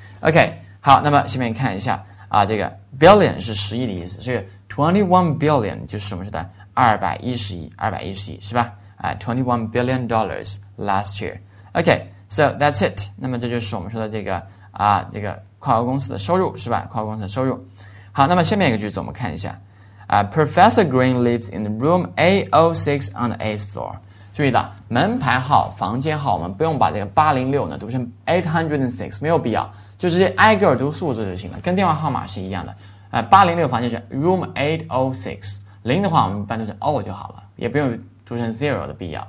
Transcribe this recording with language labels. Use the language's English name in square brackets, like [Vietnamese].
[Chinese] OK, 好，那么下面看一下啊，这个 billion 是10亿的意思，所以 $21 billion 就是什么是的 ?210 亿，是吧？ [English] $21 billion last year. OK, so that's it. [Chinese] 那么这就是我们说的这个啊，这个跨国公司的收入，是吧？跨国公司的收入。好，那么下面一个句子我们看一下。 [English] Professor Green lives in room A06 on the 8th floor. [Chinese] 注意的，门牌号、房间号，我们不用把这个806呢读成 806, 没有必要，就直接挨个读数字就行了，跟电话号码是一样的。 806房间是 room 806, 0的话我们一般都是 O 就好了，也不用读成 0 的必要。